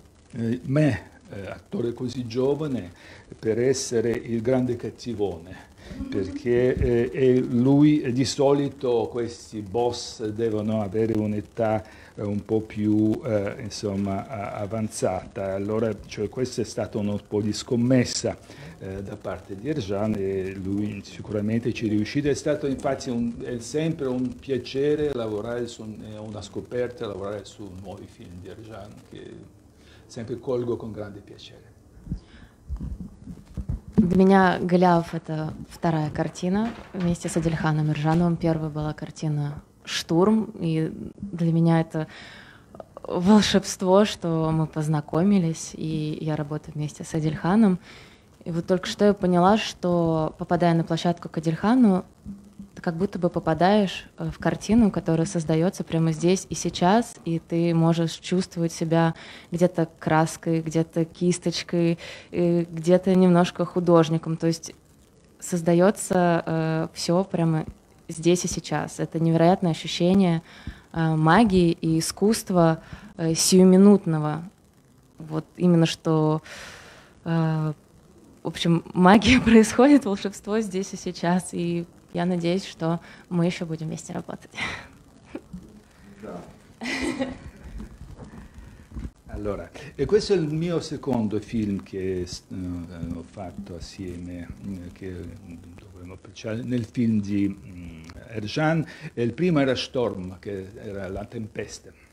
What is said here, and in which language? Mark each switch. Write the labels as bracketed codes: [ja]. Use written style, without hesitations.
[it] me, attore così giovane, per essere il grande cattivone, perché lui di solito questi boss devono avere un'età un po' più insomma avanzata, allora cioè, questa è stata un po' di scommessa da parte di Ercan, e lui sicuramente ci è riuscito. È stato infatti è sempre un piacere lavorare su una scoperta, lavorare su nuovi film di Ercan, che sempre colgo con grande piacere. [ru] Для меня «Голиаф» — это вторая картина вместе с Адильханом Ержановым. Первая была картина «Штурм», и для меня это волшебство, что мы познакомились, и я работаю вместе с Адильханом. И вот только что я поняла, что, попадая на площадку к Адильхану, ты как будто бы попадаешь в картину, которая создается прямо здесь и сейчас, и ты можешь чувствовать себя где-то краской, где-то кисточкой, где-то немножко художником. То есть создается все прямо здесь и сейчас. Это невероятное ощущение магии и искусства сиюминутного. Вот именно что... В общем, магия происходит, волшебство здесь и сейчас, и я надеюсь, что мы еще будем вместе работать. Да. [it] Allora, e questo è il mio secondo film che ho fatto assieme, che dovremmo pensare nel film di Ercan. Il primo era Storm, che era la tempesta.